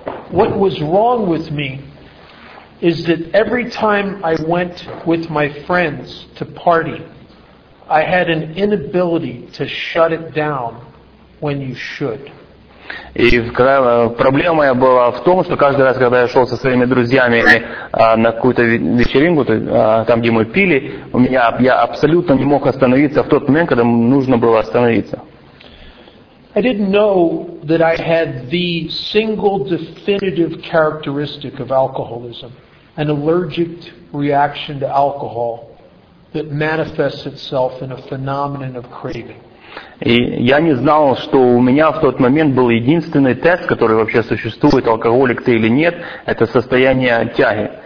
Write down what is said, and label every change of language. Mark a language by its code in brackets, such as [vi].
[en] What was wrong with me is that every time I went with my friends to party, I had an inability to shut it down when you should. [ru] И проблема моя была в том, что каждый раз, когда я шел со своими друзьями на какую-то вечеринку, там, где мы пили, я абсолютно не мог остановиться в тот момент, когда нужно было остановиться. [en] I didn't know that I had the single definitive characteristic of alcoholism, an allergic reaction to alcohol that manifests itself in a phenomenon of craving. [ru] И я не знал, что у меня в тот момент был единственный тест, который вообще существует, алкоголик ты или нет, это состояние тяги.